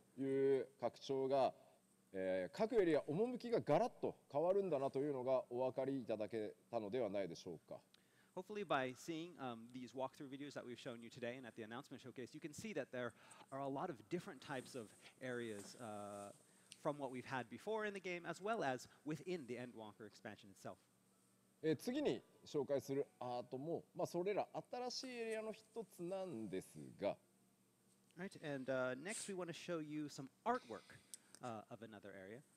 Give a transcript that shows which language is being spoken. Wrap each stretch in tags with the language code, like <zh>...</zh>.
<ja>いう拡張が、各エリア趣がガラッと変わるんだなというのがお分かりいただけたのではないでしょうか。</ja> <en>hopefully by seeing these walkthrough videos that we've shown you today and at the announcement showcase, you can see that there are a lot of different types of areas from what we've had before in the game, as well as within the Endwalker expansion itself.</en> <ja>次に紹介するアートも、まあ、それら新しいエリアの一つなんですが。</ja> <en>Right, and next we want to show you some artwork of another area.</en>